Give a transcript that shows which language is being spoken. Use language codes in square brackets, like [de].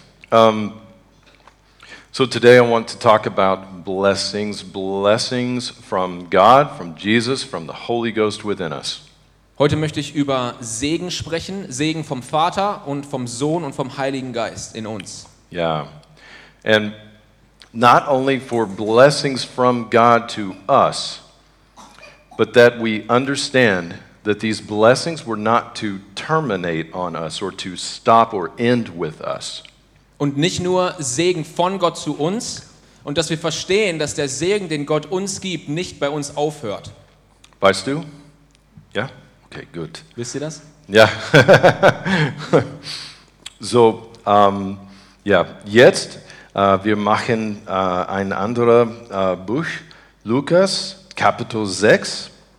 [en] So today I want to talk about blessings, blessings from God, from Jesus, from the Holy Ghost within us. [de] Heute möchte ich über Segen sprechen, Segen vom Vater und vom Sohn und vom Heiligen Geist in uns. [en] Yeah, and not only for blessings from God to us, but that we understand that these blessings were not to terminate on us or to stop or end with us. [de] Und nicht nur Segen von Gott zu uns und dass wir verstehen, dass der Segen, den Gott uns gibt, nicht bei uns aufhört. Weißt du? Ja? Okay, gut. Wisst ihr das? Ja. So, ja, jetzt, wir machen ein anderes Buch, Lukas, Kapitel 6.